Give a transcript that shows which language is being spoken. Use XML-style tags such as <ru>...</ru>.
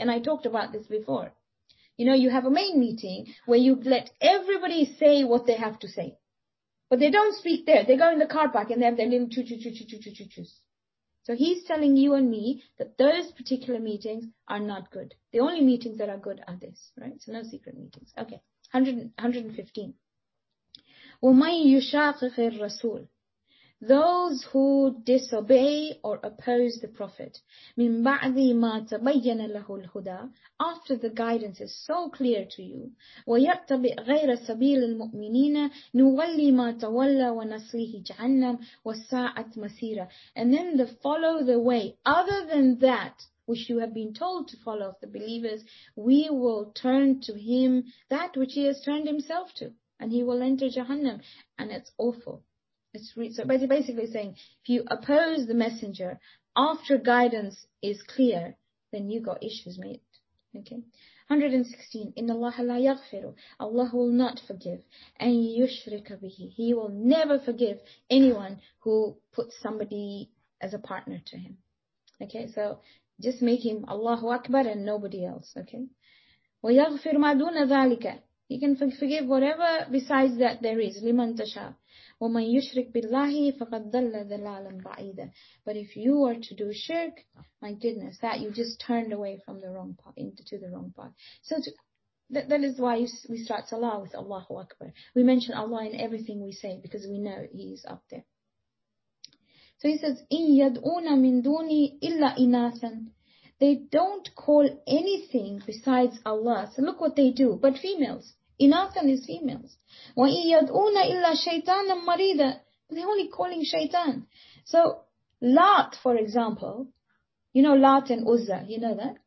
<en>And I talked about this before. You know, you have a main meeting where you let everybody say what they have to say. But they don't speak there. They go in the car park and they have their little choo-choo-choo-choo-choo-choo-choos. So he's telling you and me that those particular meetings are not good. The only meetings that are good are this, right? So no secret meetings. Okay, 115.</en> <ar>وَمَنْ يُشَاقِقِ الرَّسُولِ.</ar> <en>Those who disobey or oppose the Prophet,</en> <ar>مِن بَعْدِ مَا تَبَيَّنَ لَهُ الْهُدَى,</ar> <en>after the guidance is so clear to you,</en> <ar>وَيَتَّبِعْ غَيْرَ سَبِيلِ الْمُؤْمِنِينَ نُوَلِّي مَا تَوَلَّى وَنَصْلِهِ جَهَنَّمْ وَسَاءَتْ مَسِيرًا.</ar> <en>And then the follow the way, other than that, which you have been told to follow of the believers, we will turn to him that which he has turned himself to, and he will enter Jahannam, and it's awful. So basically saying, if you oppose the messenger after guidance is clear, then you got issues, mate. Okay. 116.</en> <ar>Inna Allah la yaghfiru.</ar> <en>Allah will not forgive.</en> <ar>And yushrika bihi.</ar> <en>He will never forgive anyone who puts somebody as a partner to him. Okay. So just make him Allahu Akbar and nobody else. Okay.</en> <ar>Wa yaghfir ma duna dhalika.</ar> <en>He can forgive whatever besides that there is.</en> <ar>Liman tasha. وَمَنْ يُشْرِكْ بِاللَّهِ فَقَدْ ضَلَّ ذَلَالًا بَعِيدًا.</ar> <en>But if you are to do shirk, my goodness, that you just turned away from the wrong path, into the wrong path. So that is why we start Salah with Allahu Akbar. We mention Allah in everything we say because we know He is up there. So he says,</en> <ar>إِنْ يَدْعُونَ مِنْ دُونِي إِلَّا إِنَاثًا.</ar> <en>They don't call anything besides Allah. So look what they do, but females. Inathan is females.</en> <ar>وَإِنْ يَدْعُونَ إِلَّا شَيْطَانًا مَرِيدًا.</ar> <en>They're only calling shaitan. So, Lat, for example, you know Lat and Uzza, you know that?</en>